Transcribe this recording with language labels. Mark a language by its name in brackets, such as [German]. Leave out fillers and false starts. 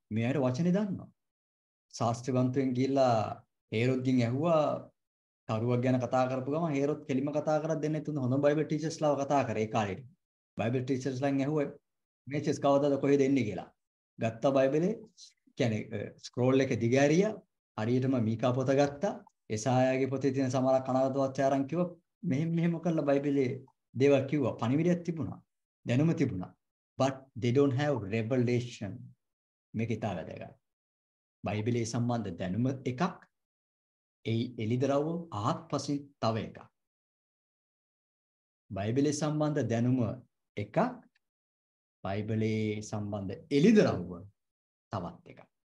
[Sinhala] මේ අයට වචනේ දන්නවා. ශාස්ත්‍රවන්තයන් ගිහිල්ලා හේරොද්ගෙන් ඇහුවා කරුවක් ගැන කතා කරපු ගමන් හේරොත් කෙලිම කතා කරලා දෙන්නේ තුන හොඳ බයිබල් ටීචර්ස්ලාව කතා කරේ ඒ කාලේ. බයිබල් ටීචර්ස්ලාන් ඇහුවා මේචස් කවදාද කොහෙද එන්නේ කියලා. ගත්තා බයිබලේ, කියන්නේ ස්ක්‍රෝල් එක දිග ඇරියා, හරියටම මීකා පොත ගත්තා. එසායාගේ පොතේ තියෙන සමහරක් අනාගත වචාරම් කිව්වා. මෙහෙම මෙහෙම කරලා බයිබලේ දේවල් කිව්වා. පණිවිඩයක් තිබුණා, දැනුම තිබුණා. [English] But they don't have revelation. [Sinhala] මේක ඉතාල වැදගත්. බයිබලේ සම්බන්ධ දැනුම එකක්, ඒ එලිදරව් ආත්පසින් තව එකක්. බයිබලේ සම්බන්ධ දැනුම එකක්, බයිබලේ සම්බන්ධ එලිදරව් තවත් එකක්.